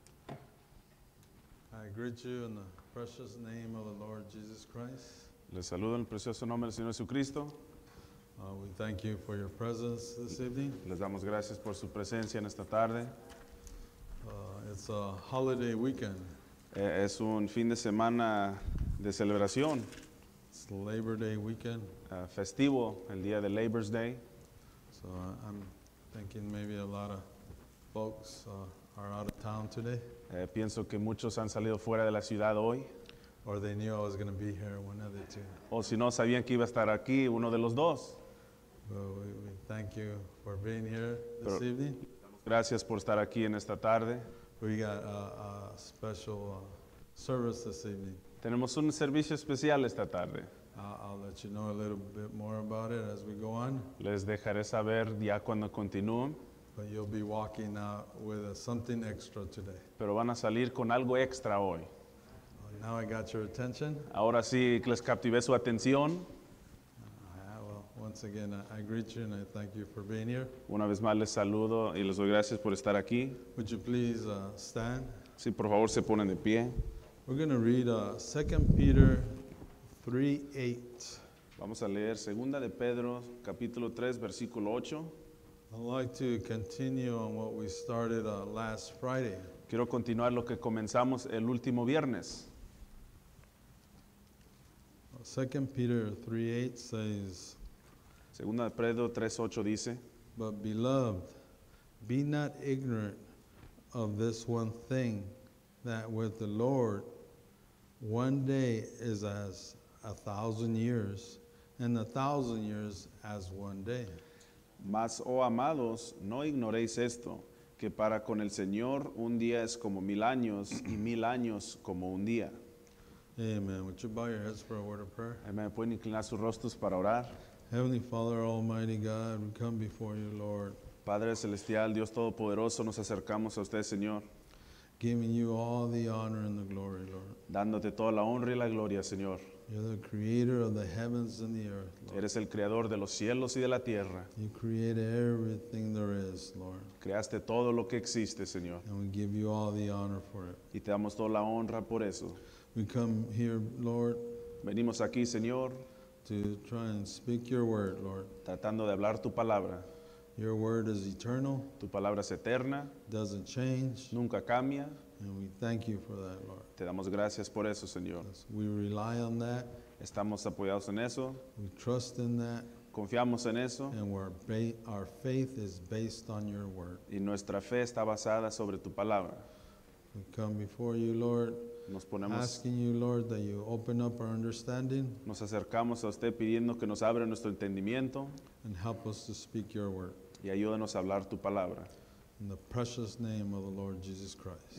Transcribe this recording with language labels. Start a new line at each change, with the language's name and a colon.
English: I greet you in the precious name of the Lord Jesus Christ.
Spanish: Les saludo en el precioso nombre del Señor Jesucristo.
English: We thank you for your presence this evening.
Spanish: Les damos gracias por su presencia en esta tarde.
English: It's a holiday weekend.
Spanish: Es un fin de semana de celebración.
English: It's Labor Day weekend.
Spanish: Festivo, el día de Labor Day.
English: So I'm thinking maybe a lot of folks are out of town today.
Spanish: Pienso que muchos han salido fuera de la ciudad hoy.
English: Or they knew I was going to be here, one of the two.
Spanish: O si no, sabían que iba a estar aquí, uno de los dos.
English: Well, we thank you for being here this
Spanish: Pero,
English: evening.
Spanish: Gracias por estar aquí en esta tarde.
English: We got a special service this evening.
Spanish: Tenemos un servicio especial esta tarde.
English: I'll let you know a little bit more about it as we go on.
Spanish: Les dejaré saber ya cuando continúen.
English: But you'll be walking out with something extra today.
Spanish: Pero van a salir con algo extra hoy.
English: Now I got your attention.
Spanish: Ahora sí, les captivé su atención.
English: Once again, I greet you and I thank you for being here.
Spanish: Una vez más les saludo y les doy gracias por estar aquí.
English: Would you please stand?
Spanish: Sí, por favor, se ponen de pie.
English: We're going to read 2 Peter 3:8.
Spanish: Vamos a leer 2 de Pedro, capítulo 3, versículo 8.
English: I'd like to continue on what we started last Friday.
Spanish: Quiero continuar lo que comenzamos el último viernes.
English: 2 Peter 3:8 says,
Spanish: Segunda de Pedro 3:8 dice,
English: But beloved, be not ignorant of this one thing, that with the Lord, one day is as a thousand years, and a thousand years as one day.
Spanish: Mas, oh amados, no ignoréis esto, que para con el Señor un día es como mil años, y mil años como un día.
English: Amen. Would you bow your heads for a word of prayer?
Spanish: Amen. Pueden inclinar sus rostros para orar.
English: Heavenly Father, Almighty God, we come before you, Lord.
Spanish: Padre Celestial, Dios Todopoderoso, nos acercamos a usted, Señor.
English: Giving you all the honor and the glory, Lord.
Spanish: Dándote toda la honra y la gloria, Señor.
English: You're the creator of the heavens and the earth, Lord.
Spanish: Eres el creador de los cielos y de la tierra.
English: You created everything there is, Lord.
Spanish: Creaste todo lo que existe, Señor.
English: And we give you all the honor for it.
Spanish: Y te damos toda la honra por eso.
English: We come here, Lord.
Spanish: Venimos aquí, Señor.
English: To try and speak your word, Lord.
Spanish: Tratando de hablar tu palabra.
English: Your word is eternal.
Spanish: Tu palabra es eterna.
English: Doesn't change.
Spanish: Nunca cambia.
English: And we thank you for that, Lord.
Spanish: Te damos gracias por eso, Señor.
English: We rely on that.
Spanish: Estamos apoyados en eso.
English: We trust in that.
Spanish: Confiamos en eso.
English: And our faith is based on your word.
Spanish: Y nuestra fe está basada sobre tu palabra.
English: We come before you, Lord.
Spanish: Nos ponemos,
English: asking you, Lord, that you open up our understanding.
Spanish: Nos acercamos a usted pidiendo que nos abra nuestro entendimiento.
English: And help us to speak your word.
Spanish: Y ayúdanos a hablar tu palabra.
English: In the precious name of the Lord Jesus Christ.